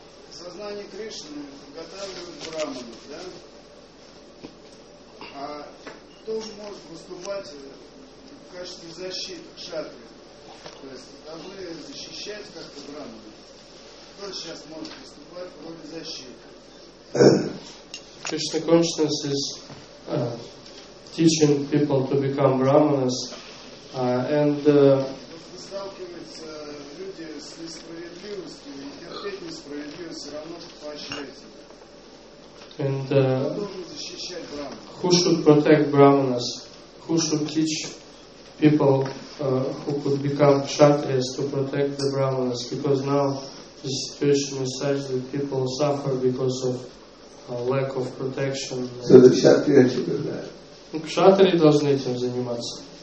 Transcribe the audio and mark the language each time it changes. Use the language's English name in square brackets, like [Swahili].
[Russian] Сознание Кришны подготавливает брахманов, да? А кто может выступать в качестве защиты кшатрия? То есть должны защищать как-то брахманов. Кто сейчас может выступать в роли защиты? [English] Кришна consciousness is teaching people to become brahmanas. [Russian] Сталкиваются люди с несправедливостью, и терпеть несправедливость все равно, что поощрять себя. [English] And, [Russian] кто должен защищать брахманов? [English] Who should protect brahmanas? Who should teach people who could become kshatriyas to protect the brahmanas? Because now the situation is such that people suffer because of lack of protection. So the kshatriya should do that. [Russian] Кшатрии должны этим заниматься.